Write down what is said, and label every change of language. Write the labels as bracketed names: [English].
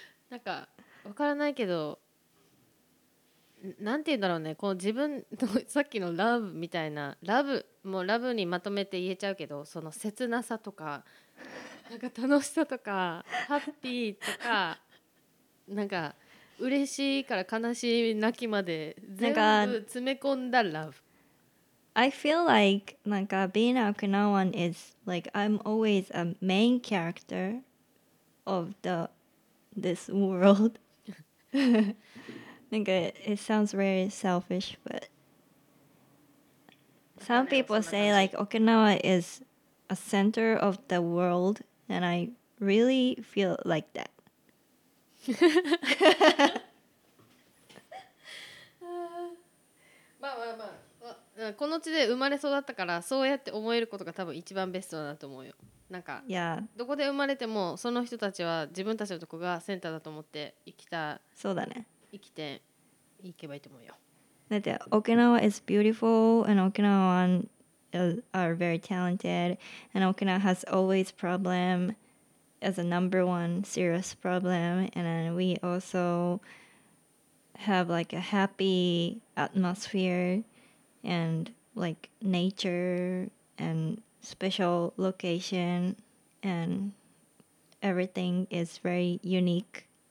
[Japanese] なんかわからないけど、なんて言うんだろうね、こう自分のさっきのラブみたいな、ラブもうラブにまとめて言えちゃうけど、その切なさとかなんか楽しさとかハッピーとかなんか嬉しいから悲しい泣きまで全部詰め込んだ love。 [English] I feel like なんか being an Okinawan is like I'm always a main character of the this world. なんか it sounds very selfish, but some people say like Okinawa is a center of the world, and I really feel like that. [Japanese] まあまあまあ、この地で生まれ育ったからそうやって思えることが多分一番ベストだと思うよ。なんか、 [English] yeah. [Japanese] どこで生まれてもその人たちは自分たちのとこがセンターだと思って生きた、そうだね、生きていけばいいと思うよ。 [English] だって沖縄 is beautiful and 沖縄 are very talented and 沖縄 has always problemas a number one serious problem, and then we also have like a happy atmosphere and like nature and special location and everything is very unique.